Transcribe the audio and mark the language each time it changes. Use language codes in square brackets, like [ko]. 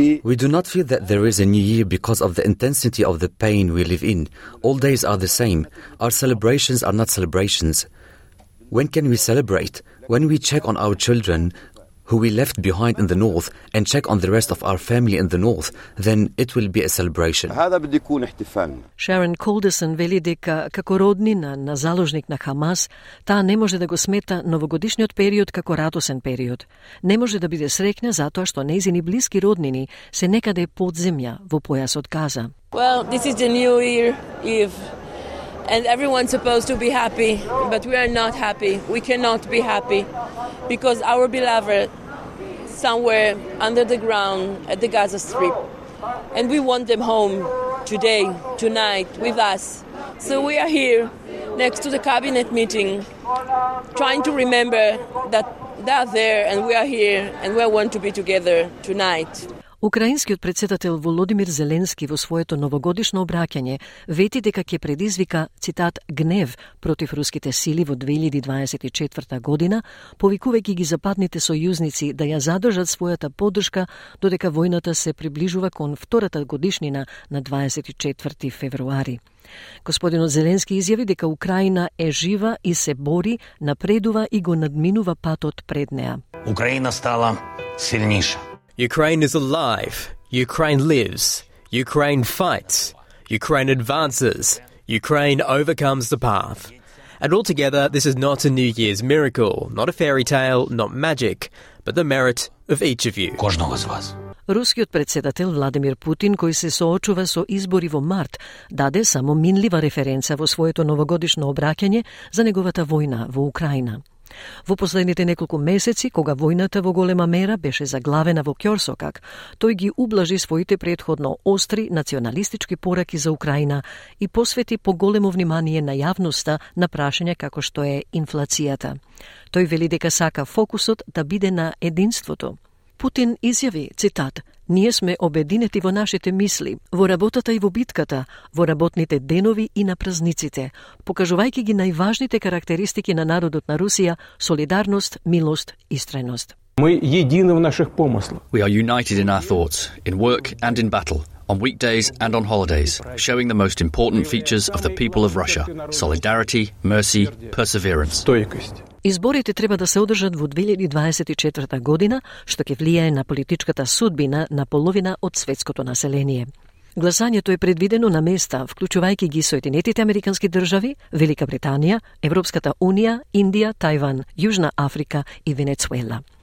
[en] We do not feel that there is a new year because of the intensity of the pain we live in. All days are the same. Our celebrations are not celebrations. When can we celebrate? When we check on our children who we left behind in the north, and check on the rest of our family in the north, then it will be a celebration. [mk] Sharon Calderson вели дека, како роднина на заложник на Хамас, таа не може да го смета новогодишниот период како радосен период. Не може да биде срекна затоа што нејзини близки роднини се некаде под земја во појас од Газа. [en] Well, this is the new year, Eve. And everyone's supposed to be happy, but we are not happy. We cannot be happy because our beloved somewhere under the ground at the Gaza Strip, and we want them home today, tonight, with us. So we are here next to the cabinet meeting trying to remember that they are there and we are here and we want to be together tonight. [mk] Украинскиот председател Володимир Зеленски во своето новогодишно обраќање вети дека ќе предизвика, цитат, гнев против руските сили во 2024 година, повикувајќи ги западните сојузници да ја задржат својата поддршка додека војната се приближува кон втората годишнина на 24 февруари. Господинот Зеленски изјави дека Украина е жива и се бори, напредува и го надминува патот пред неа. Украина стала силниша. [en] Ukraine is alive. Ukraine lives. Ukraine fights. Ukraine advances. Ukraine overcomes the path. And altogether, this is not a New Year's miracle, not a fairy tale, not magic, but the merit of each of you. [uk] Кожного з вас. [mk] Рускиот председател Владимир Путин, кој се соочува со избори во март, даде само минлива референца во своето новогодишно обраќање за неговата војна во Украина. Во последните неколку месеци, кога војната во голема мера беше заглавена во ќорсокак, тој ги ублажи своите предходно остри националистички пораки за Украина и посвети поголемо внимание на јавноста на прашања како што е инфлацијата. Тој вели дека сака фокусот да биде на единството. Путин изјави, цитат, «Ние сме обединети во нашите мисли, во работата и во битката, во работните денови и на празниците, покажувајќи ги најважните карактеристики на народот на Русија, солидарност, милост и страјност». [ru] Мы едини во наших помыслах. [en] We are united in our thoughts, in work and in battle, on weekdays and on holidays, showing the most important features of the people of Russia: solidarity, mercy, perseverance. [mk] Стојкост. Изборите треба да се одржат во 2024 година, што ќе влијае на политичката судбина на половина од светското население. Гласањето е предвидено на места, вклучувајќи ги Соединетите Американски држави, Велика Британија, Европската Унија, Индија, Тајван, Јужна Африка и Венецуела.